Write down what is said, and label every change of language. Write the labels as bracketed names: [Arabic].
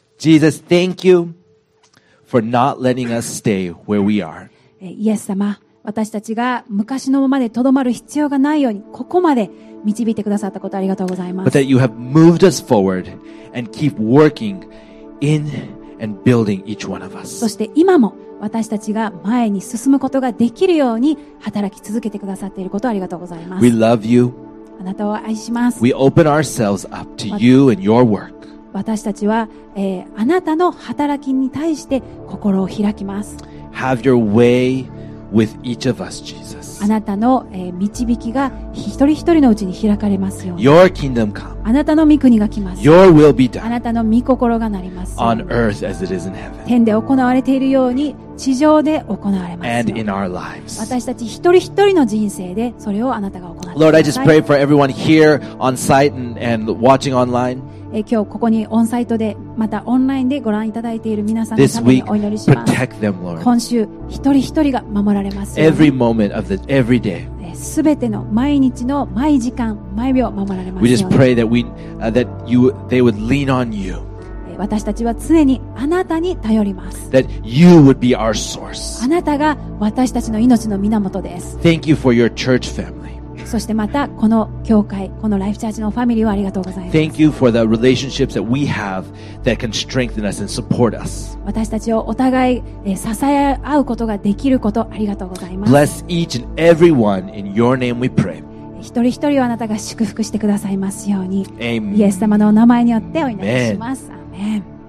[English] Jesus, thank you for not letting us stay where we are. [Japanese] イエス様、私たちが昔のままでとどまる必要がないようにここまで導いてくださったことありがとうございます。 [English] But that you have moved us forward and keep working in and building each one of us. [Japanese] そして今も私たちが前に進むことができるように働き続けてくださっていることありがとうございます。 [English] We love you. [Japanese] あなたを愛します。 [English] We open ourselves up to you and your work. [Japanese] 私たちは、あなたの働きに対して心を開きます。 [English] Have your way with each of us, Jesus. [Japanese] あなたの、導きが一人一人のうちに開かれますように。 [English] Your kingdom come. [Japanese] あなたの御国が来ます。 [English] Your will be done. [Japanese] あなたの御心がなりますように。 [English] On earth as it is in heaven. [Japanese] 天で行われているように地上で行われますように。 [English] And in our lives. [Japanese] 私たち一人一人の人生でそれをあなたが行ってください。 [English] Lord, I just pray for everyone here on site and watching online. [Japanese] 今日ここにオンサイトでまたオンラインでご覧いただいている皆さんのためにお祈りします。今週一人一人が守られますように。 [English] Every moment of the every day. [Japanese] 全ての毎日の毎時間毎秒守られますように。 [English] We just pray that we, that you, they would lean on you. [Japanese] 私たちは常にあなたに頼ります。 [English] That you would be our source. [Japanese] あなたが私たちの命の源です。 [English] Thank you for your church family. [Japanese] そしてまたこの教会このライフチャージのファミリーをありがとうございます。 [English] Thank you for the relationships that we have that can strengthen us and support us. [Japanese] 私たちをお互い支え合うことができることありがとうございます。 [English] Bless each and everyone in your name we pray. [Japanese] 一人一人をあなたが祝福してくださいますように。 [English] Amen. [Japanese] イエス様のお名前によってお祈りします。 Amen.